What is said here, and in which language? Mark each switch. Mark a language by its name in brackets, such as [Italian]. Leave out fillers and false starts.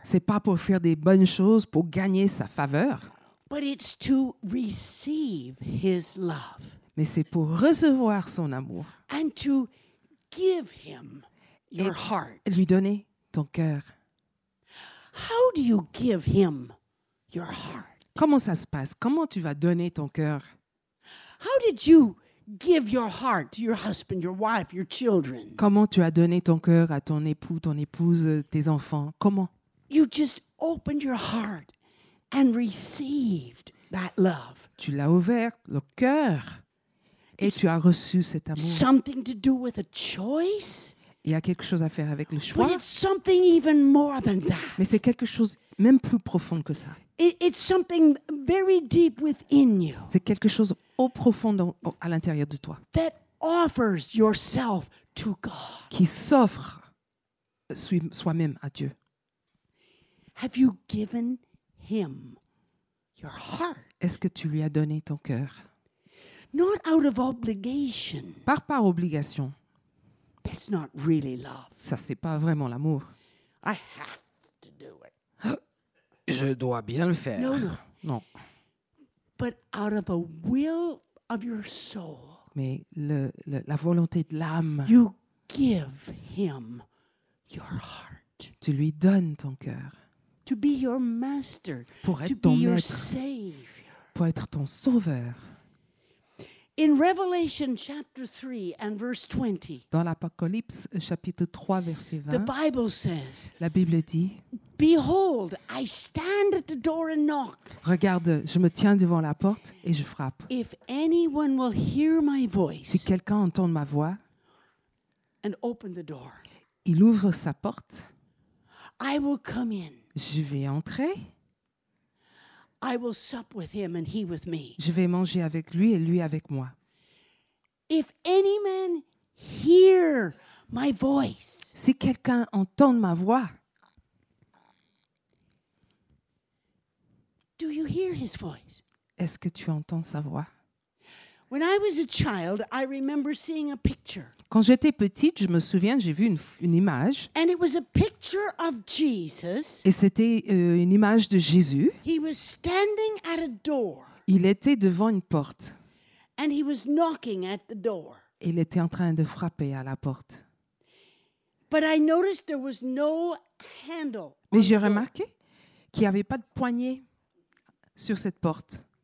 [French] C'est pas pour faire des bonnes choses pour gagner sa faveur. [English] But it's to receive his love. [French] Mais c'est pour recevoir son amour. [English] And to give him your heart. [French] Et lui donner ton cœur. [English] How do you give him your heart? [French] Comment ça se passe? Comment tu vas donner ton cœur? [English] How did you give your heart to your husband, your wife, your children? [French] Comment tu as donné ton cœur à ton époux, ton épouse, tes enfants? Comment? [English] You just opened your heart and received that love. [French] Tu l'as ouvert le cœur et tu as reçu cet amour. [English] Something to do with a choice? [French] Il y a quelque chose à faire avec le choix. [English] But it's something even more than that. [French] Mais c'est quelque chose même plus profond que ça. [English] It's something very deep within you. [French] C'est quelque chose au profond à l'intérieur de toi. [English] That offers yourself to God. [French] Qui s'offre soi-même à Dieu. [English] Have you given him your heart? [French] Est-ce que tu lui as donné ton cœur? [English] Not out of obligation. [French] Par obligation. [English] That's not really love. [French] Ça, c'est pas vraiment l'amour. [English] I have to do it. [French] Je dois bien le faire. [English] No. But out of a will of your soul. [French] Mais la volonté de l'âme. [English] You give him your heart. [French] Tu lui donnes ton cœur. [English] To be your master. [French] Pour être [English] to [French] ton [English] be [French] maître. [English] Your savior. [French] Pour être ton sauveur. [English] In Revelation chapter 3 and verse 20. [French] Dans l'Apocalypse chapitre 3 verset 20. [English] The Bible says. [French] La Bible dit. [English] Behold, I stand at the door and knock. [French] Regarde, je me tiens devant la porte et je frappe. [English] If anyone will hear my voice. [French] Si quelqu'un entend ma voix. [English] And open the door. [French] Il ouvre sa porte. [English] I will come in. [French] Je vais entrer. [English] I will sup with him and he with me. [French] Je vais manger avec lui et lui avec moi. [English] If any man hear my voice. [French] Si quelqu'un entend ma voix. [English] Do you hear his voice? [French] Est-ce que tu entends sa voix? [English] When I was a child, I remember seeing a picture. [French] Quand j'étais petite, je me souviens, j'ai vu une image. [English] And it was a picture of Jesus. [French] Et c'était une image de Jésus. [English] He was standing at a door. [French] Il était devant une porte. [English] And he was knocking at the door. [French] Il était en train de frapper à la porte. [English] But I noticed there was no handle. [French] Mais j'ai remarqué qu'il n'y avait pas de poignée sur cette porte.